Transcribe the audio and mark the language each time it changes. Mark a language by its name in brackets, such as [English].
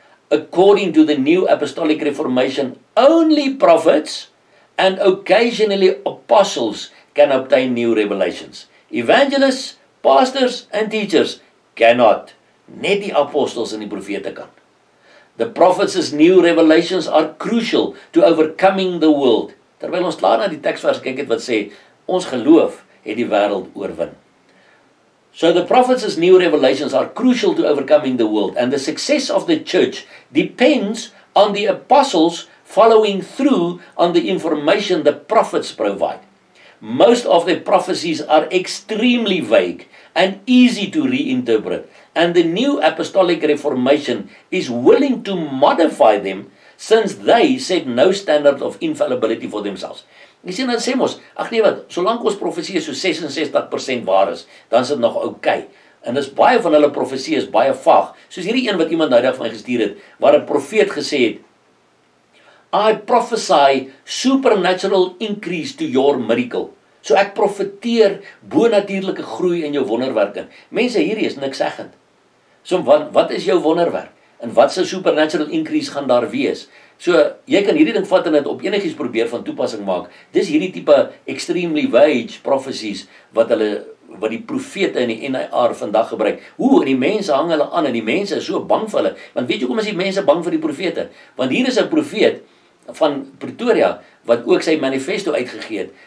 [English] According to the new apostolic reformation, only prophets and occasionally apostles can obtain new revelations. Evangelists, pastors and teachers cannot. [Afrikaans] Net die apostels en die profete kan. [English] The prophets' new revelations are crucial to overcoming the world. [Afrikaans] Terwyl ons klaar na die tekstvers kyk het wat sê, ons geloof het die wêreld oorwin. [English] So the prophets' new revelations are crucial to overcoming the world and the success of the church depends on the apostles following through on the information the prophets provide. Most of their prophecies are extremely vague and easy to reinterpret and the new apostolic reformation is willing to modify them since they set no standard of infallibility for themselves. [Afrikaans] Jy sien, dan sê ons, ach nee wat, solank ons profetie so 66% waar is, dan is dit nog oké. Okay. En dis baie van hulle profetie is baie vaag, soos hierdie een wat iemand nou dag van my gestuur het, waar een profeet gesê het, [English] I prophesy supernatural increase to your miracle. [Afrikaans] So ek profeteer bonatuurlijke groei in jou wonderwerke. Mense, hierdie is niks zeggend. So wat is jou wonderwerk? En wat sy [English] supernatural increase [Afrikaans] gaan daar wees? So, jy kan hierdie ding vat en het op enigies probeer van toepassing maak. Dis hierdie type [English] extremely vague prophecies [Afrikaans] wat die profete in die N.A.R. vandag gebruik. Hoe, en die mense hang hulle aan en die mense is so bang vir hulle. Want weet jy, hoe is die mense bang vir die profete? Want hier is een profeet van Pretoria, wat ook sy manifesto uitgegeet.